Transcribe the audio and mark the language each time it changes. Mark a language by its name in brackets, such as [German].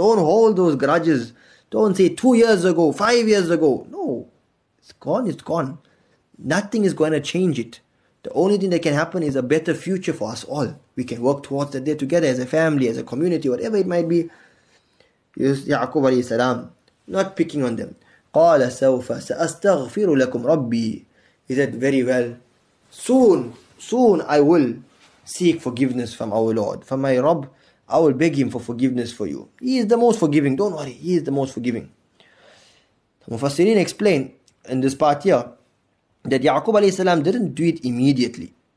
[English] Don't hold those grudges. Don't say 2 years ago, 5 years ago. No, it's gone, it's gone. Nothing is going to change it. The only thing that can happen is a better future for us all. We can work towards that day together as a family, as a community, whatever it might be. Ya'qub alayhi salam, not picking on them. [Arabic] قَالَ سَوْفَ سَأَسْتَغْفِرُ لَكُمْ رَبِّي [English] He said, very well. Soon I will seek forgiveness from our Lord, from my Rabb. I will beg him for forgiveness for you. He is the most forgiving. Don't worry. He is the most forgiving. Mufassirin explained in this part here that Ya'qub alayhi salam didn't do it immediately.